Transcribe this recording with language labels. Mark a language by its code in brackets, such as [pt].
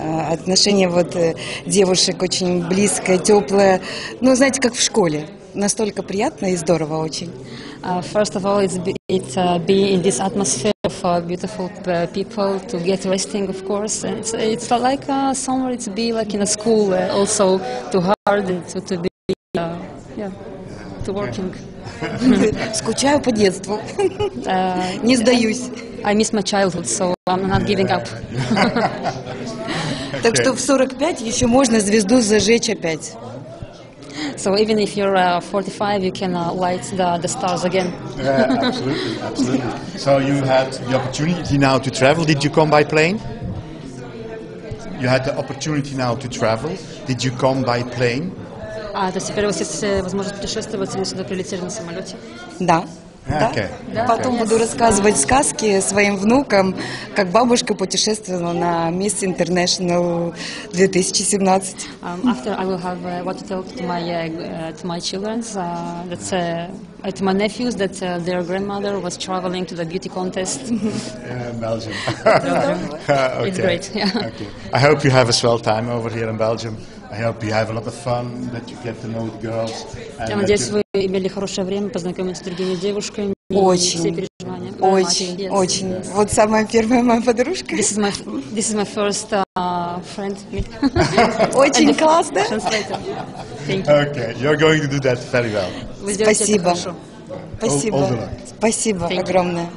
[ru] Отношение вот девушек очень близкое, теплое. Ну, знаете, как в школе. Настолько приятно и здорово очень. [en] First of all, it's be in this atmosphere of beautiful people to get resting, of course. And it's like somewhere to be like in a school, also to hard and to be, to working. [ru] Скучаю по детству. Не сдаюсь. [en] I miss my childhood, so I'm not giving up. [ru] Так что в 45 еще можно звезду зажечь опять. [en] So even if you're 45, you can light the stars again. Yeah, absolutely. So you had the opportunity now to travel. Did you come by plane? You had the opportunity now to travel. Did you come by plane? [ru] То есть теперь у вас есть возможность путешествовать, и вы сюда прилетели на самолете? Да. Да? Okay. Потом буду рассказывать сказки своим внукам, как бабушка путешествовала на Miss International 2017. [en] After I will have what to talk to my children. That's at my nephews that their grandmother was traveling to the beauty contest. In Belgium. Okay. It's great. Yeah. Okay. I hope you have a swell time over here in Belgium. I hope you have a lot of fun, that you get to know the girls. [ru] Я надеюсь, вы имели хорошее время, познакомиться с другими девушками. Очень, очень. Вот самая первая моя подружка. [en] This is my first friend. [ru] Очень классно. [en] Okay, you're going to do that very well. [ru] Спасибо. Спасибо. Спасибо огромное.